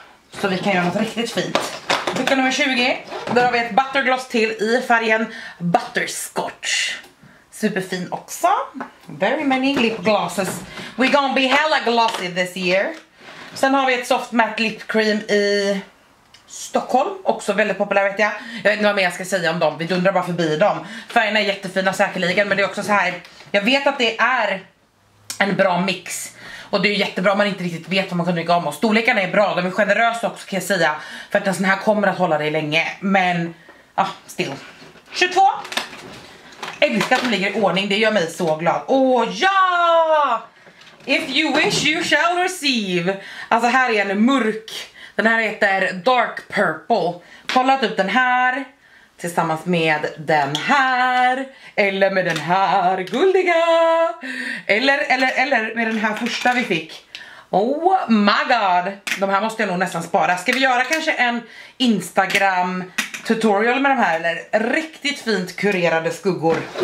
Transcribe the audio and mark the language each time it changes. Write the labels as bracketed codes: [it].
[sv] Så vi kan göra något riktigt fint. Ficka nummer 20. Där har vi ett buttergloss till i färgen Butterscotch. Superfin också. [en] Very many lip glosses. We're gonna be hella glossy this year. [sv] Sen har vi ett soft matte lip cream i Stockholm. Också väldigt populär, vet jag. Jag vet inte vad mer jag ska säga om dem. Vi dundrar bara förbi dem. Färgerna är jättefina säkerligen. Men det är också så här. Jag vet att det är en bra mix. Och det är jättebra om man inte riktigt vet vad man kan tycka om. Och storlekarna är bra. De är generösa också, kan jag säga. För att en sån här kommer att hålla dig länge. Men ja, still. 22. Jag älskar att de ligger i ordning, det gör mig så glad. Åh ja! [en] If you wish you shall receive. [sv] Alltså här är en mörk. Den här heter Dark Purple. Kolla ut den här. Tillsammans med den här. Eller med den här guldiga. Eller med den här första vi fick. [en] Oh my god. [sv] De här måste jag nog nästan spara. Ska vi göra kanske en Instagram tutorial med de här, eller riktigt fint kurerade skuggor.